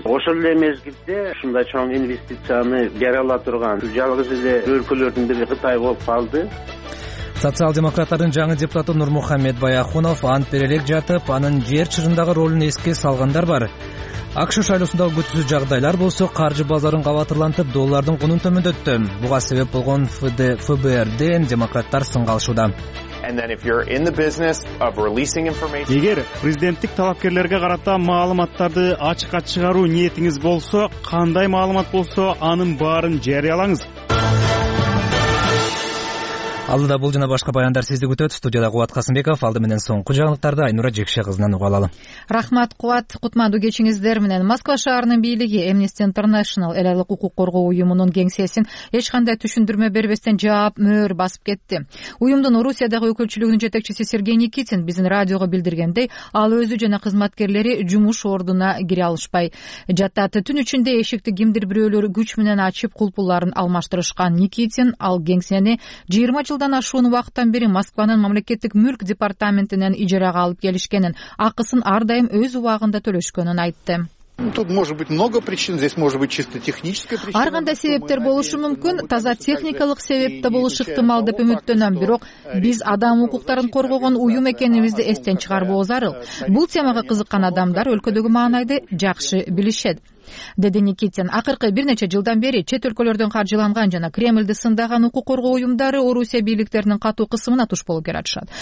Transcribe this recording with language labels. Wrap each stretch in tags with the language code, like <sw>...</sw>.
<ky>Ошол эле мезгилде ушундай чоң инвестицияны жарала турган жалгыз эле өлкөлөрдүн бири Кытай болуп калды. Социал демократтардын жаңы депутаты Нурмухамед Баяхунов ант бере элек жатып, анын жер чырындагы ролун эске салгандар бар. АКШ шайлоосундагы күчсүз жагдайлар болсо, каржы базарын кабатырлантып, доллардын кунун төмөндөттү. Буга себеп болгон ФБР'ден демократтар сынга алышууда.</ky> <en>And then if you're in the business of releasing information,</en> <ky>эгер президенттик талапкерлерге карата маалыматтарды ачыкка чыгаруу ниетиңиз болсо, кандай маалымат болсо, анын баарын жарыялаңыз. Алдыда бул жана башка баяндар сизди күтөт. Студияда Кубат Касымбеков, алды менен соңку жаңылыктарды Айнура Жекше кызынан уга алалы. Рахмат Кубат, кутмандуу кечиңиздер менен. Москва шаарынын бийлиги Amnesty International эл алык укук коргоо уюмунун кеңсесин эч кандай түшүндүрмө бербестен жаап мөөр басып кетти. Уюмдун Орусиядагы өкүлчүлүгүнүн жетекчиси Сергей Никитин биздин радиого билдиргендей, ал өзү жана кызматкерлери жумуш ордуна кире алышпай жатат. Түн ичинде эшикти кимдир бирөөлөр күч менен ачып кулпуларын алмаштырышкан. Никитин ал кеңсени 20 жылдан ашуун убакыттан бери Москванын мамлекеттик мүлк департаментинен ижарага алып келишкенин, акысын ар дайым өз убагында төлөшкөнүн айтты.</ky> <ru>Тут может быть много причин, здесь может быть чисто техническая причина.</ru> <ky>Ар кандай себептер болушу мүмкүн, таза техникалык себеп да болушу ыктымал деп үмүттөнөм, бирок биз адам укуктарын коргогон уюм экенибизди эстен чыгарбоо зарыл. Бул темага кызыккан адамдар өлкөдөгү маанайды жакшы билишет. Деди Никитин. Акыркы бир нече жылдан бери чет өлкөлөрдөн каржыланган жана Кремльди сындаган укук коргоо уюмдары Орусия бийликтеринин катуу кысымына туш болуп жатышат.</ky>